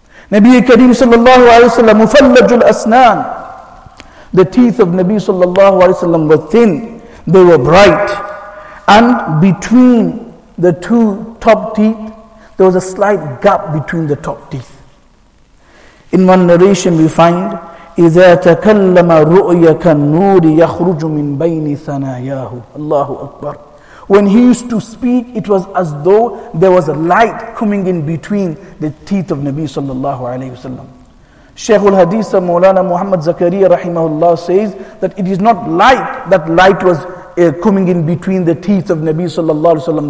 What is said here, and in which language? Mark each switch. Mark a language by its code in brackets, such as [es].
[en] Nabi Kareem sallallahu alayhi wa sallam, mufallajul asnan. The teeth of Nabi sallallahu alayhi wa sallam were thin, they were bright. And between the two top teeth, there was a slight gap between the top teeth. In one narration we find, [ar] إِذَا تَكَلَّمَ رُؤْيَكَ النُّورِ يَخْرُجُ مِنْ بَيْنِ ثَنَايَاهُ. Allahu Akbar. [en] When he used to speak, it was as though there was a light coming in between the teeth of Nabi sallallahu alayhi wa sallam. Shaykh al-Haditha Mawlana Muhammad Zakariya rahimahullah says that it is not light, that light was coming in between the teeth of Nabi sallallahu alayhi wa sallam.